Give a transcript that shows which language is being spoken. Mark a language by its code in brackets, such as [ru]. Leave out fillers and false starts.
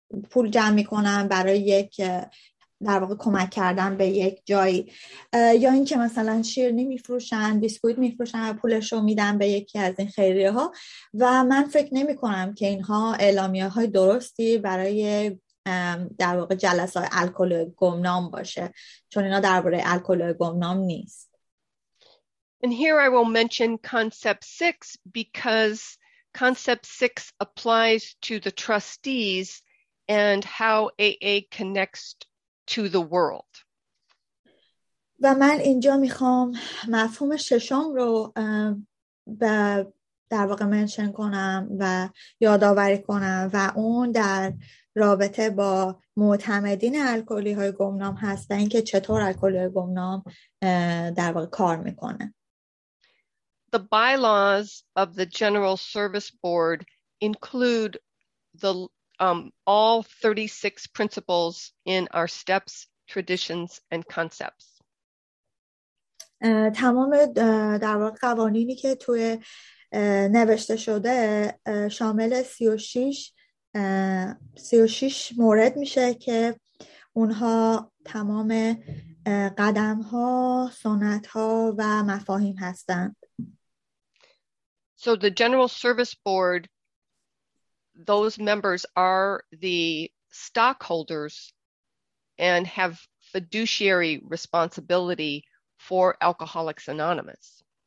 [fa] پول جمع میکنن برای یک، در واقع کمک کردن به یک جایی، یا اینکه مثلا شیرنی میفروشن، بیسکویت میفروشن و پولش رو میدن به یکی از این خیریه ها. و من فکر نمی کنم که اینها اعلامیه های درستی برای در واقع جلسه های الکلی گمنام باشه، چون اینا درباره الکلی گمنام نیست. [en] And here I will mention concept 6 because concept 6 applies to the trustees and how AA connects to the world. [fa] و من اینجا میخوام مفهوم ششم رو به در واقع منشن کنم و یادآوری کنم و اون در رابطه با معتمدین الکلی های گمنام هست و اینکه چطور الکلی های گمنام در واقع کار میکنه. [en] The bylaws of the General Service Board include the all 36 principles in our steps, traditions, and concepts. [fa] تمام در واقع قوانینی که توی نوشته شده شامل 36 مورد میشه که اونها تمام قدم ها، سنت ها و مفاهیم هستند. [en] So the General Service Board, those members are the stockholders and have fiduciary responsibility for Alcoholics Anonymous.